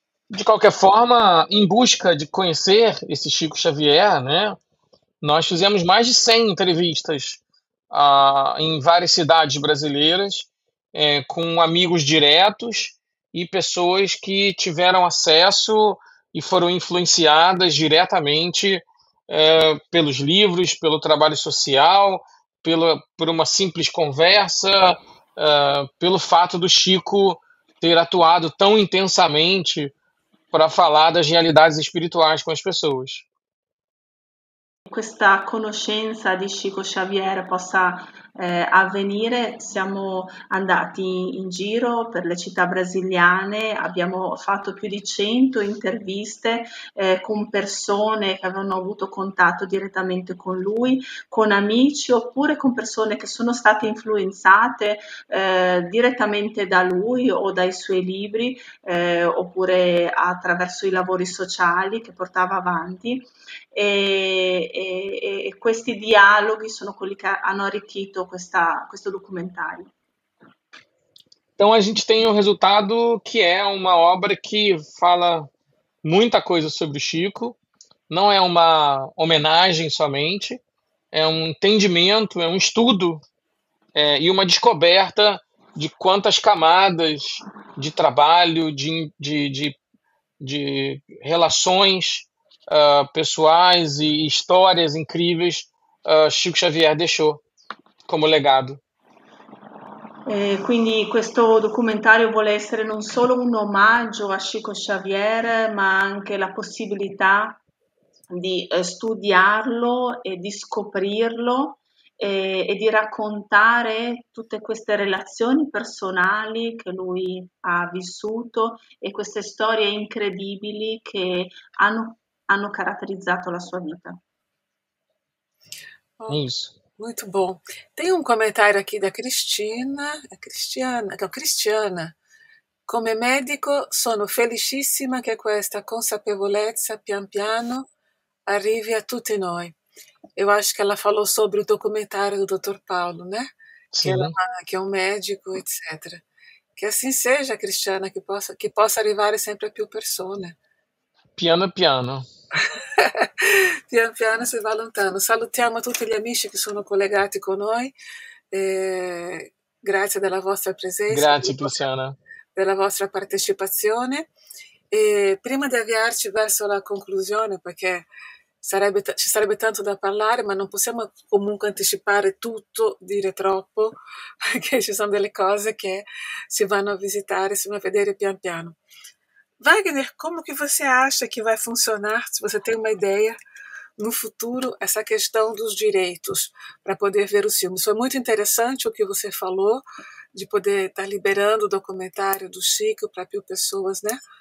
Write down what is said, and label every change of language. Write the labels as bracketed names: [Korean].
[Portuguese] De qualquer forma, em busca de conhecer esse Chico Xavier, né, nós fizemos mais de 100 entrevistas em várias cidades brasileiras, com amigos diretos e pessoas que tiveram acesso e foram influenciadas diretamente pelos livros, pelo trabalho social, por uma simples conversa, pelo fato do Chico ter atuado tão intensamente para falar das realidades espirituais com as pessoas. [Italian] Questa conoscenza di Chico Xavier possa avvenire, siamo andati in giro per le città brasiliane, abbiamo fatto più di 100 interviste con persone che avevano avuto contatto direttamente con lui, con amici oppure con persone che sono state influenzate direttamente da lui o dai suoi libri oppure attraverso i lavori sociali che portava avanti. E questi dialoghi sono quelli che hanno arricchito questo documentario. [Portuguese] Então a gente tem um resultado que é uma obra que fala muita coisa sobre o Chico, não é uma homenagem somente, é um entendimento, é um estudo e uma descoberta de quantas camadas de trabalho, de relações pessoais e histórias incríveis Chico Xavier deixou como legado. [Italian] Quindi questo documentario vuole essere non solo un omaggio a Chico Xavier, ma anche la possibilità di studiarlo e di scoprirlo e di raccontare tutte queste relazioni personali che lui ha vissuto e queste storie incredibili che hanno caratterizzato la sua vita. [Portuguese] Oh, isso. Muito bom. Tem um comentário aqui da Cristina, a Cristiana, então, Cristiana. [Italian] Come medico, sono felicissima che questa consapevolezza pian piano arrivi a tutti noi. [Portuguese] Eu acho que ela falou sobre o documentário do Dr. Paulo, né? Sim. Que é um médico, etc. Que assim seja, Cristiana, que possa arrivar sempre a più persone. [Italian] Piano piano. Pian piano si va lontano. Salutiamo tutti gli amici che sono collegati con noi. grazie della vostra presenza. Grazie, Luciana. Della vostra partecipazione. E prima di avviarci verso la conclusione, perché ci sarebbe tanto da parlare, ma non possiamo comunque anticipare tutto, dire troppo, perché ci sono delle cose che si vanno a visitare, si vanno a vedere pian piano. [Portuguese] Wagner, como que você acha que vai funcionar, se você tem uma ideia, no futuro, essa questão dos direitos para poder ver os filmes? Foi muito interessante o que você falou, de poder estar liberando o documentário do Chico para mil pessoas, né?